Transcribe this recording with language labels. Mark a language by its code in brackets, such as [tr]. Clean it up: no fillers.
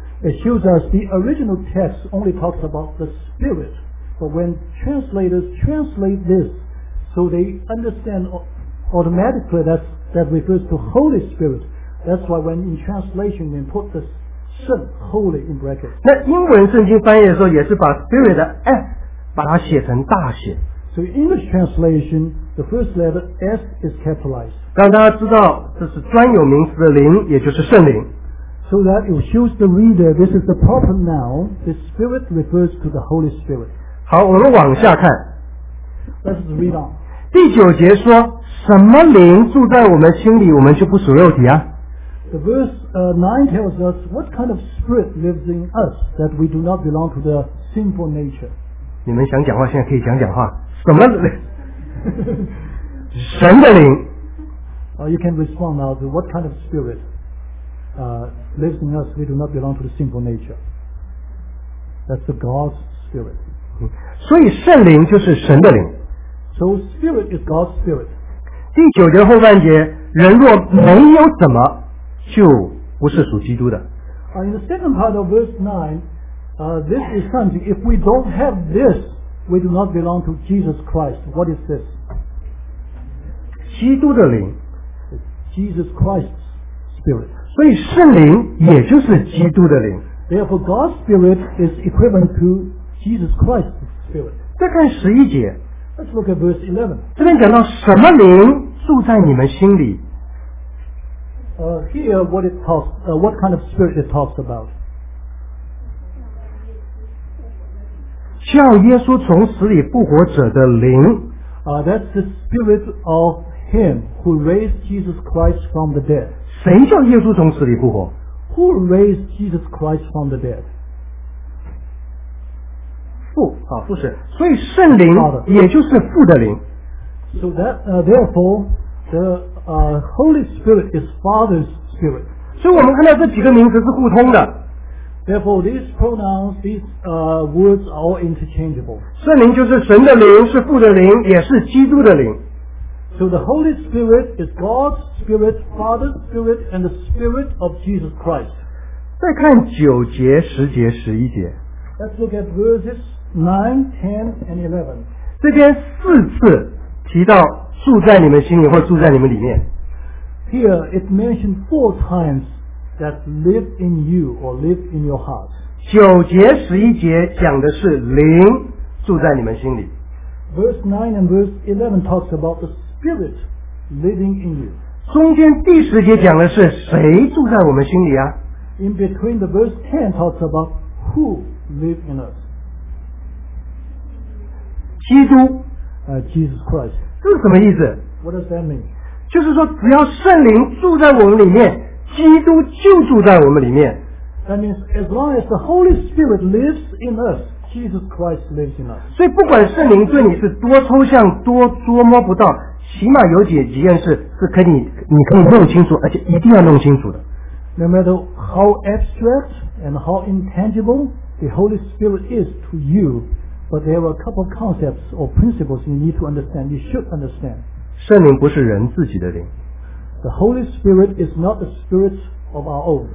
[en] It shows us the original text only talks about the Spirit, but when translators translate this, so they understand automatically that refers to Holy Spirit. That's why when in translation they put the 圣 Holy in brackets. [zh] 那英文圣经翻译的时候也是把 Spirit 的 S 把它写成大写。 [en] So English translation, the first letter S is capitalized. [zh] 让大家知道这是专有名词的灵，也就是圣灵。 [en] So that it shows the reader this is the proper noun. The Spirit refers to the Holy Spirit. [zh] 好，我们往下看。 [en] Let's read on. [zh] 第九节说，什么灵住在我们心里，我们就不属肉体啊。 [en] The verse 9 tells us what kind of spirit lives in us that we do not belong to the sinful nature. [zh] 你们想讲话，现在可以讲讲话。什么灵？神的灵。 [en] You can respond now to what kind of spirit. Lives in us, we do not belong to the sinful nature. That's the God's spirit. [zh] 所以圣灵就是神的灵。 [en] So spirit is God's spirit. [zh] 第九节后半节，人若没有什么，就不是属基督的。 [en] In the second part of verse 9, this is something. If we don't have this, we do not belong to Jesus Christ. What is this? [zh] 基督的灵。 [en] Jesus Christ's spirit. [zh] 所以圣灵也就是基督的灵。 [en] Therefore, God's spirit is equivalent to Jesus Christ's spirit. [zh] 再看十一节。 [en] Let's look at verse 11. [zh] 这边讲到什么灵住在你们心里？ [en] Here what it talks, what kind of spirit it talks about. [zh] 叫耶稣从死里复活者的灵。 [en] That's the spirit of him who raised Jesus Christ from the dead. [zh] 谁叫耶稣从死里复活？ [en] Who raised Jesus Christ from the dead? [zh] 父是，所以圣灵也就是父的灵。 [en] So that, therefore, the, Holy Spirit is Father's Spirit. [zh] 所以我们看到这几个名词是互通的。 [en] Therefore, these pronouns, these, words are all interchangeable. [zh] 圣灵就是神的灵，是父的灵，也是基督的灵。 [en] So the Holy Spirit is God's Spirit, Father's Spirit, and the Spirit of Jesus Christ. [zh] 再看九节、十节、十一节。 [en] Let's look at verses 9, 10, and 11. [zh] 这边四次提到住在你们心里或住在你们里面。 [en] Here it mentioned four times that live in you or live in your heart. [zh] 九节、十一节讲的是灵住在你们心里。 [en] Verse 9 and verse 11 talks about the spirit living in you. [zh] 中间第十节讲的是谁住在我们心里啊？ [en] In between the verse 10 talks about who. Live in us. [zh] 基督 [en] Jesus Christ. [zh] 这是什么意思？ [en] What does that mean? [zh] 就是说只要圣灵住在我们里面，基督就住在我们里面。 [en] That means as long as the Holy Spirit lives in us, Jesus Christ lives in us. [zh] 所以不管圣灵对你是多抽象，多捉摸不到，起码有几件事是可以你可以弄清楚，而且一定要弄清楚的。 [en] No matter how abstract and how intangibleThe Holy Spirit is to you, but there are a couple of concepts or principles you need to understand, you should understand. [zh] 圣灵不是人自己的灵。 [en] The Holy Spirit is not the spirit of our own.